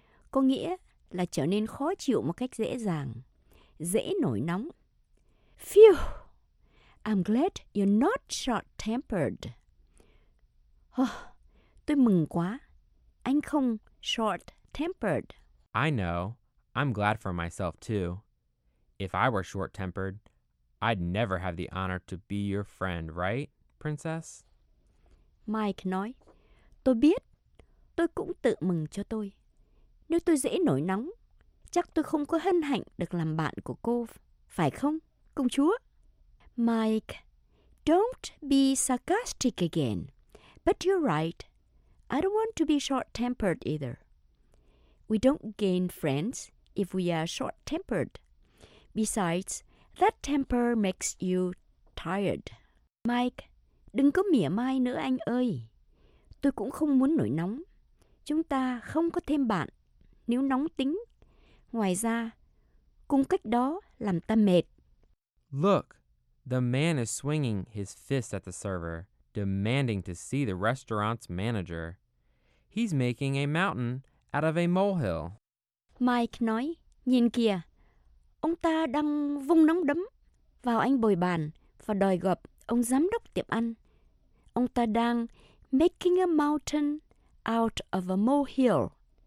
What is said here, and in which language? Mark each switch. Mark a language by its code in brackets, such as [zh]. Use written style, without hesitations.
[vi] Có nghĩa là trở nên khó chịu một cách dễ dàng, dễ nổi nóng. [en] Phew, I'm glad you're not short-tempered. [vi] Oh, tôi mừng quá, anh không short-tempered. [en] I know, I'm glad for myself too. If I were short-tempered, I'd never have the honor to be your friend, right, princess? [vi] Mike nói, tôi biết, tôi cũng tự mừng cho tôi. Nếu tôi dễ nổi nóng, chắc tôi không có hân hạnh được làm bạn của cô, phải không, công chúa? [en] Mike, don't be sarcastic again. But you're right. I don't want to be short-tempered either. We don't gain friends if we are short-tempered. Besides, that temper makes you tired. [vi] Mike, đừng có mỉa mai nữa anh ơi. Tôi cũng không muốn nổi nóng. Chúng ta không có thêm bạn nếu nóng tính. Ngoài ra, cùng cách đó làm ta mệt. [en] Look, the man is swinging his fist at the server, demanding to see the restaurant's manager. He's making a mountain out of a molehill. [vi] Mike nói, nhìn kìa, ông ta đang vung nắm đấm vào anh bồi bàn và đòi gặp ông giám đốc tiệm ăn. Ông ta đang [en] making a mountain out of a molehill.